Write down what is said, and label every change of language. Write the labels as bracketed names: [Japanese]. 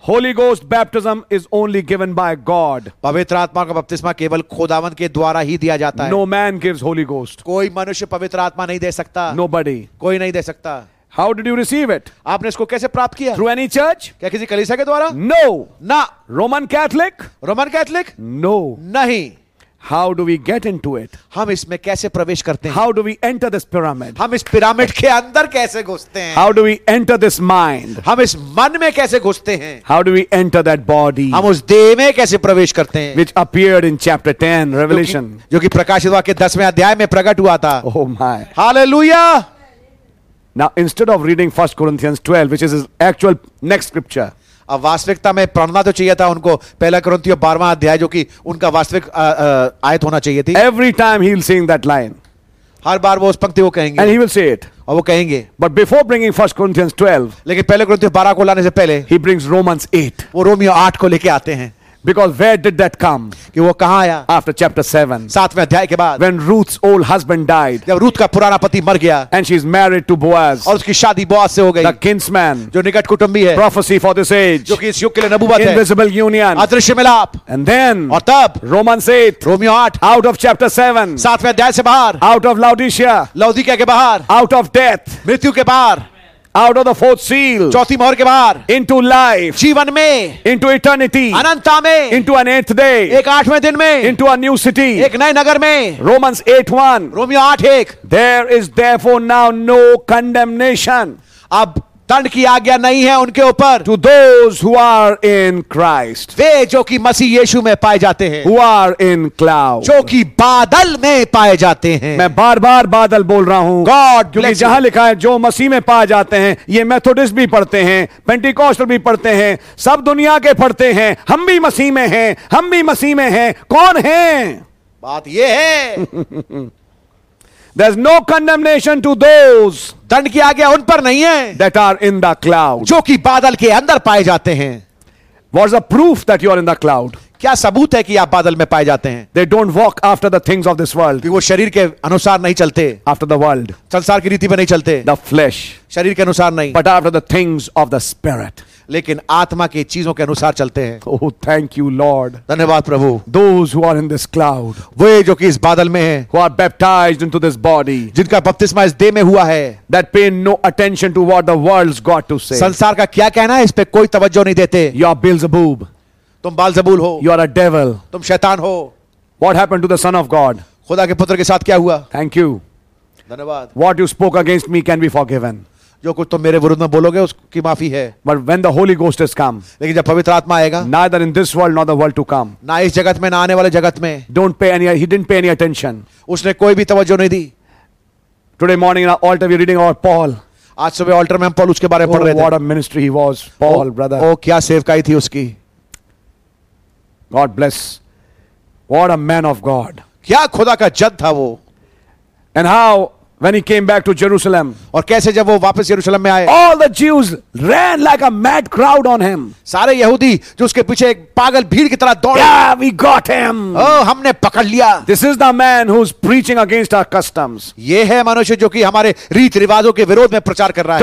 [English] Holy Ghost baptism is only given by God. [Hindi] पवित्र आत्मा का बपतिस्मा केवल खुदावंद के द्वारा ही दिया जाता है। [English] No man gives Holy Ghost. [Hindi] कोई मनुष्य पवित्र आत्मा नहीं दे सकता। [English] Nobody. [Hindi] कोई नहीं दे सकता। [English] How did you receive it? [Hindi] आपने इसको कैसे प्राप्त किया? [English] Through any church? [Hindi] क्या किसी कलीसिया के द्वारा? [English] No. [Hindi] ना [English] Roman Catholic? Roman Catholic? No. [Hindi] नहीं। [English] How do we get into it? [Hindi] हम इसमें कैसे प्रवेश करते हैं? [English] How do we enter this pyramid? [Hindi] हम इस पिरामिड के अंदर कैसे घुसते हैं? [English] How do we enter this mind? [Hindi] हम इस मन में कैसे घुसते हैं? [English] How do we enter that body? [Hindi] हम उस देह में कैसे प्रवेश करते हैं? [English] Which appeared in chapter 10, Revelation. [Hindi] जो कि प्रकाशित वाक्य 10वें अध्याय में प्रकट हुआ था. [English] Oh my. [Hindi] Hallelujah. [English] Now instead of reading 1 Corinthians 12, which is his actual next scripture. [Hindi] अब वास्तविकता में पढ़ना तो चाहिए था उनको पहला क्रंथियों 12वां अध्याय जो कि उनका वास्तविक आयत होना चाहिए थी. [English] Every time he'll sing that line. [Hindi] हर बार वो उस पंक्ति को कहेंगे. [English] And he will say it. [Hindi] और वो कहेंगे. [English] But before bringing 1 Corinthians 12. [Hindi] लेकिन पहले क्रंथियों 12 को लाने से पहले. [English] He brings Romans 8. [Hindi] वो रोमियो 8 को लेके आते हैं. [English] Because where did that come? [Hindi] कि वो कहाँ आया? [English] After chapter 7. [Hindi] सातवें अध्याय के बाद. [English] When Ruth's old husband died. [Hindi] जब रूथ का पुराना पति मर गया. [English] And she's married to Boaz. [Hindi] और उसकी शादी बोआज से हो गई. [English] The kinsman. [Hindi] जो निकट कुटुंबी है. [English] Prophecy for this age. [Hindi] जो कि इस युग के लिए नबुवत है. [English] Invisible union. [Hindi] अदृश्य मिलाप. [English] And then. [Hindi] और तब. [English] Romans 8. [Hindi] Romeo 8. [English] Out of chapter 7. [Hindi] सातवें अध्याय से बाहर. [English] Out of Laodicea. [Hindi] लौदीकिया के बाहर. [English] Out of death. [Hindi] मृत्यु के बाहर. [English] Out of the fourth seal, [Hindi] चौथी मोहर के बाहर, [English] into life, [Hindi] जीवन में, [English] into eternity, [Hindi] अनंता में, [English] into an eighth day, [Hindi] एक आठवें दिन में, [English] into a new city, [Hindi] एक नए नगर में, [English] Romans 8:1, [Hindi] Romeo 8:1, [English] there is therefore now no condemnation, [Hindi] अब दंड की आज्ञा नहीं है उनके ऊपर, [English] to those who are in Christ, [Hindi] वे जो कि मसीह यीशु में पाए जाते हैं, [English] who are in cloud, [Hindi] जो कि बादल में पाए जाते हैं. मैं बार बार बादल बोल रहा हूं. [English] God [Hindi] क्योंकि जहां लिखा है जो मसीह में पाए जाते हैं, ये मेथोडिस्ट भी पढ़ते हैं, पेंटिकॉस्टल भी पढ़ते हैं, सब दुनिया के पढ़ते हैं, हम भी मसीह में हैं, हम भी मसीह में हैं, कौन हैं? बात ये है. [English] There's no condemnation to those. [Hindi] दंड की आज्ञा उन पर नहीं है. [English] That are in the cloud. [Hindi] जो कि बादल के अंदर पाए जाते हैं. [English] What's the proof that you are in the cloud? [Hindi] क्या सबूत है कि आप बादल में पाए जाते हैं? [English] They don't walk after the things of this world. [Hindi] कि वो शरीर के अनुसार नहीं चलते. [English] After the world. [Hindi] संसार की रीति पर नहीं चलते. [English] The flesh. [Hindi] शरीर के अनुसार नहीं. [English] But after the things of the spirit. [Hindi] लेकिन आत्मा की चीजों के अनुसार चलते हैं. [English] Oh, thank you, Lord. [Hindi] धन्यवाद प्रभु. [English] Those who are in this cloud, [Hindi] वे जो कि इस बादल में हैं, [English] who are baptized into this body, [Hindi] जिनका बपतिस्मा इस देह में हुआ है, [English] that pay no attention to what the world's got to say. [Hindi] संसार का क्या कहना है इस पे कोई तवज्जो नहीं देते. [English] You are Beelzebub. [Hindi] तुम बालजबूल हो. [English] You are a devil. [Hindi] तुम शैतान हो. [English] What happened to the Son of God? [Hindi] खुदा के पुत्र के साथ क्या हुआ? [English] Thank you. [Hindi] धन्यवाद. [English] What you spoke against me can be forgiven. [Hindi] जो कुछ तुम मेरे विरुद्ध में बोलोगे उसकी माफी है. [English] But when the Holy Ghost has come, [Hindi] लेकिन जब पवित्र आत्मा आएगा, [English] neither in this world nor the world to come, [Hindi] ना इस जगत में ना आने वाले जगत में, [English] don't pay any, he didn't pay any attention, [Hindi] उसने कोई भी तवज्जो नहीं दी. [English] Today morning in our altar we are reading about Paul. [Hindi] आज सुबह altar में हम पॉल उसके बारे में पढ़ रहे थे. [English] What a ministry he was, Paul, brother. [Hindi] ओ क्या सेवकाई थी उसकी. [English] God bless. What a man of God. [Hindi] क्या खुदा का जन था वो. [English] And how when he came back to Jerusalem, [Hindi] और कैसे जब वो वापस यरूशलेम में आए, [English] all the Jews ran like a mad crowd on him. [Hindi] सारे यहूदी जो उसके पीछे एक पागल भीड़ की तरह दौड़े. [English] Yeah, we got him. [Hindi] Oh, हमने पकड़ लिया. [English] This is the man who's preaching against our customs. [Hindi] ये है मनुष्य जो कि हमारे रीति रिवाजों के विरोध में प्रचार कर रहा है.